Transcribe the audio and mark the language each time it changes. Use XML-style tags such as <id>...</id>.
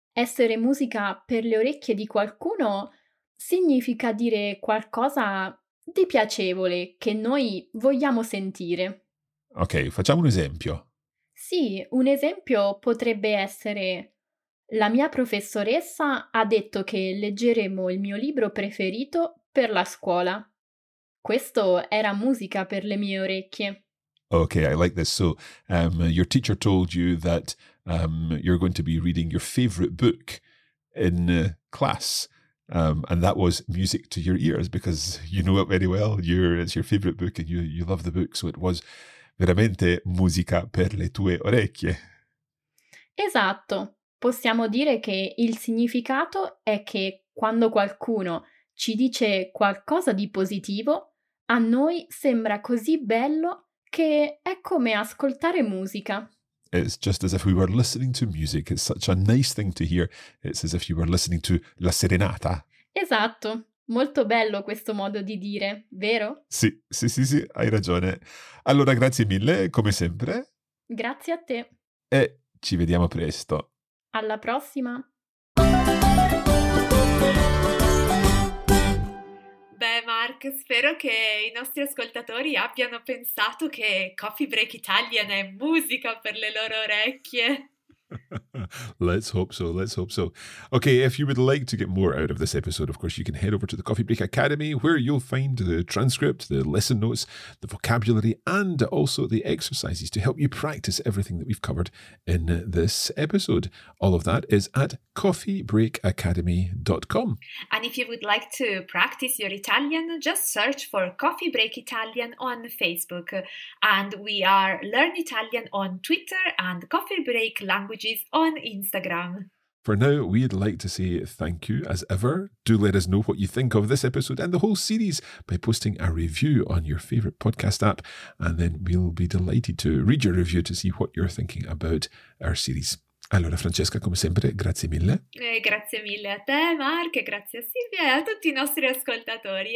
<it>Essere musica per le orecchie di qualcuno significa dire qualcosa di piacevole che noi vogliamo sentire. Ok, facciamo un esempio. Sì, un esempio potrebbe essere: la mia professoressa ha detto che leggeremo il mio libro preferito per la scuola. Questo era musica per le mie orecchie.</it> <en>Ok, I like this. So, your teacher told you that you're going to be reading your favorite book in class. And that was music to your ears because you know it very well. It's your favorite book and you love the book. So it was</en> <it>veramente musica per le tue orecchie. Esatto. Possiamo dire che il significato è che quando qualcuno ci dice qualcosa di positivo, a noi sembra così bello che è come ascoltare musica.</it> <en>It's just as if we were listening to music. It's such a nice thing to hear. It's as if you were listening to</en> <it>la serenata. Esatto. Molto bello questo modo di dire, vero? Sì, sì, sì, sì, hai ragione. Allora, grazie mille, come sempre. Grazie a te. E ci vediamo presto. Alla prossima. Beh, Mark, spero che i nostri ascoltatori abbiano pensato che Coffee Break Italian è musica per le loro orecchie.</it> <en>Let's hope so, let's hope so. Okay, if you would like to get more out of this episode, of course, you can head over to the Coffee Break Academy, where you'll find the transcript, the lesson notes, the vocabulary, and also the exercises to help you practice everything that we've covered in this episode. All of that is at coffeebreakacademy.com. And if you would like to practice your Italian, just search for Coffee Break Italian on Facebook. And we are Learn Italian on Twitter and Coffee Break Languages on Instagram. For now, we'd like to say thank you as ever. Do let us know what you think of this episode and the whole series by posting a review on your favorite podcast app, and then we'll be delighted to read your review to see what you're thinking about our series.</en> <it>Allora, Francesca, come sempre, grazie mille. Grazie mille a te, Mark, grazie a Silvia e a tutti i nostri ascoltatori.</it>